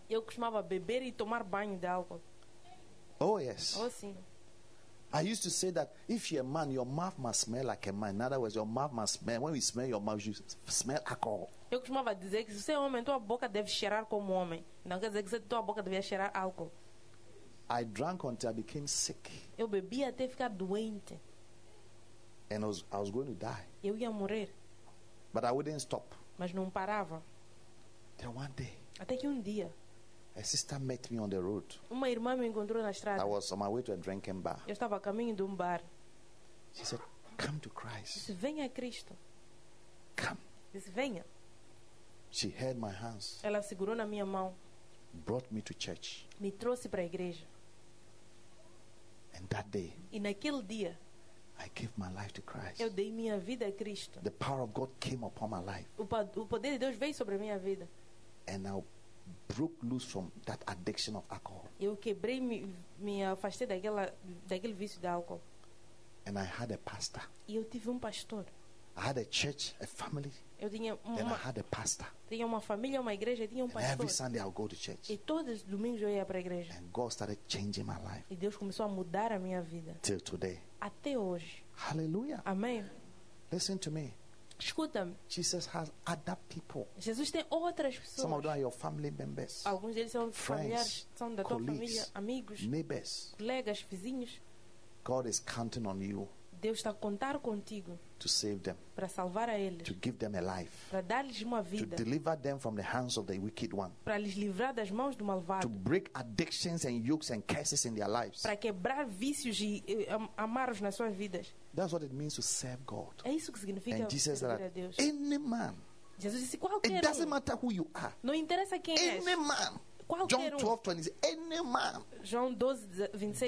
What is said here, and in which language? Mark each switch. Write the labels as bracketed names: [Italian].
[Portuguese] Eu costumava beber e tomar banho de álcool. [English] Oh yes. [Portuguese] Oh sim. [English] I used to say that if you're a man, your mouth must smell like a man. In other words, your mouth must smell. When you smell your mouth, you smell alcohol. [Portuguese] Eu costumava dizer que se você é homem, tua boca deve cheirar como homem. Não quer dizer que tua boca deve cheirar álcool. [English] I drank until I became sick. [Portuguese] Eu bebi até ficar doente. [English] And I was going to die. [Portuguese] Eu ia morrer. [English] But I wouldn't stop. [Portuguese] Mas não parava. [English] Then one day. [Portuguese] Até que dia. [English] A sister met me on the road. [Portuguese] Uma irmã me encontrou na estrada. [English] I was on my way to a drinking bar. [Portuguese] Eu estava a caminho de bar. [English] She said, "Come to Christ." [Portuguese] Disse, venha a Cristo. [English] Come. [Portuguese] Disse, venha. [English] She held my hands. [Portuguese] Ela segurou na minha mão. [English] Brought me to church. [Portuguese] Me trouxe para a igreja. [English] And that day. [Portuguese] E naquele dia. [English] I gave my life to Christ. [Portuguese] Eu dei minha vida a Cristo. [English] The power of God came upon my life. [Portuguese] O poder de Deus veio sobre a minha vida. [English] And I broke loose from that addiction of alcohol. [Portuguese] Eu quebrei-me, me afastei daquele vício de álcool. [English] And I had a pastor. [Portuguese] E eu tive pastor. [English] I had a church, a family. [Portuguese] Eu tinha [English] Then I had a pastor. [Portuguese] Tinha família, igreja, tinha [English] pastor. Every Sunday I would go to church. [Portuguese] E todos os domingos eu ia para a igreja. [English] And God started changing my life. [Portuguese] E Deus começou a mudar a minha vida. [English] Till today. [Portuguese] Até hoje. [English] Hallelujah. [Portuguese] Amém. [English] Listen to me. [Portuguese] Escuta-me. [English] Jesus has other people. [Portuguese] Jesus tem outras pessoas. [English] Some of them are your family members. [Portuguese] Alguns deles são familiares, são da tua família, amigos, [English] neighbors, [Portuguese] colegas, vizinhos. [English] God is counting on you. [Portuguese] Deus está a contar contigo. [English] To save them. [Portuguese] Para salvar a eles. [English] To give them a life. [Portuguese] Para dar-lhes uma vida. [English] To deliver them from the hands of the wicked one. [Portuguese] Para lhes livrar das mãos do malvado. [English] To break addictions and yokes and curses in their lives. [Portuguese] Para quebrar vícios e amarros nas suas vidas. [English] That's what it means to serve God. [Portuguese] É isso que significa servir a Deus. [English] And Jesus said that any man. [Portuguese] Jesus disse qualquer. [English] It doesn't matter who you are. [Portuguese] Não interessa quem és. [English] Any man. [Portuguese] Qualquer [English] John 12:26. Any man. [Portuguese] João 12:26.